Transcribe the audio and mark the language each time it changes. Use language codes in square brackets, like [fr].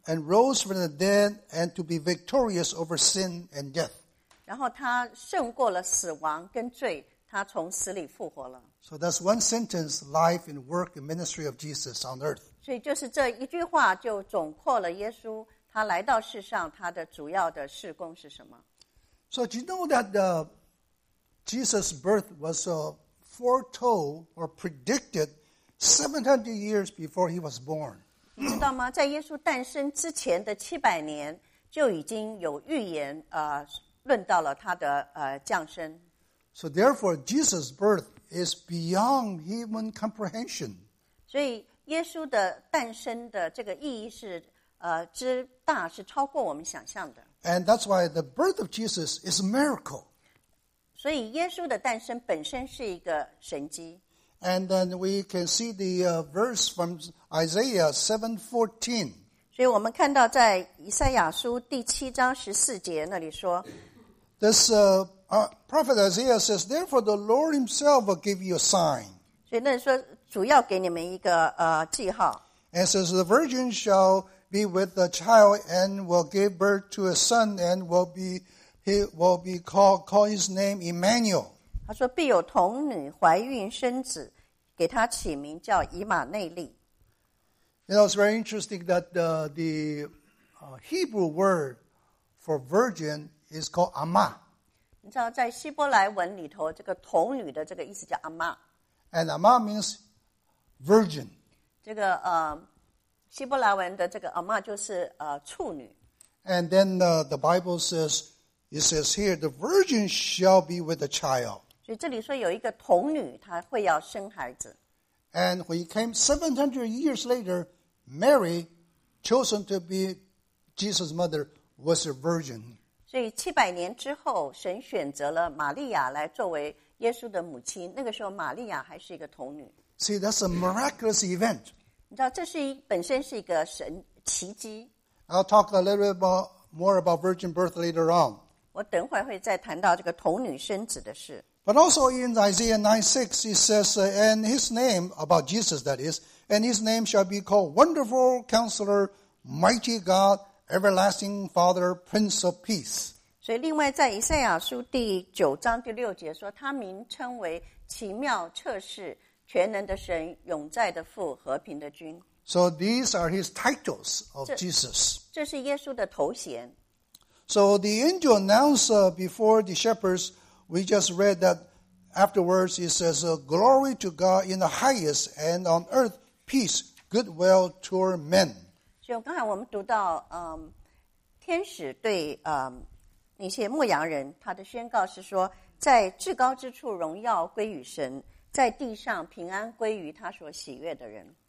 [en] And rose from the dead and to be victorious over sin and death. [zh] 然后他胜过了死亡跟罪，他从死里复活了。 [en] So that's one sentence, life and work and ministry of Jesus on earth. [zh] 所以就是这一句话就总括了耶稣他来到世上他的主要的事工是什么。 [en] So do you know that Jesus' birth was foretold or predicted 700 years before he was born? [zh] 你知道吗？在耶稣诞生之前的700年就已经有预言论到了他的降生。 [en] So therefore, Jesus' birth is beyond human comprehension. [zh] 所以耶稣的诞生的这个意义是之大是超过我们想象的。 [en] And that's why the birth of Jesus is a miracle. [zh] 所以耶稣的诞生本身是一个神迹。 [en] And then we can see the verse from Isaiah 7:14. [zh] 所以我们看到在以赛亚书第七章十四节那里说 [en] This prophet Isaiah says, therefore the Lord himself will give you a sign. [zh] 所以那里说主要给你们一个记号。 [en] And it says, the virgin shall be with the child and will give birth to a son and will be called his name Emmanuel. [zh] 他说必有童女怀孕生子给他起名叫以马内利。 [en] You know, it's very interesting that Hebrew word for virgin is called Amma. [zh] 你知道在希伯来文里头这个童女的这个意思叫 Amma. [en] And Amma means virgin. [zh] 这个希伯来文的这个 Amma 就是处女。 [en] And then the Bible says, it says here, the virgin shall be with the child. [zh] 所以这里说有一个童女她会要生孩子。 [en] And when he came 700 years later, Mary, chosen to be Jesus' mother, was a virgin. [zh] 所以700年之后，神选择了玛利亚来作为耶稣的母亲。那个时候，玛利亚还是一个童女。 [en] See, that's a miraculous event. [zh] 你知道，这是本身是一个神奇迹。 [en] I'll talk a little bit more about virgin birth later on. [zh] 我等会会再谈到这个童女生子的事。 [en] But also in Isaiah 9:6, he says, and his name, about Jesus that is, and his name shall be called Wonderful Counselor, Mighty God, Everlasting Father, Prince of Peace. [zh] 所以另外在以赛亚书第九章第六节说他名称为奇妙、测试、全能的神、永在的父、和平的君。 [en] So these are his titles of Jesus. [zh] 这是耶稣的头衔。 [en] So the angel announced before the shepherds, we just read that afterwards he says, glory to God in the highest and on earth, peace, goodwill toward men. [zh] 就刚才我们读到天使对那些牧羊人他的宣告是说在至高之处荣耀归于神在地上平安归于他所喜悦的人。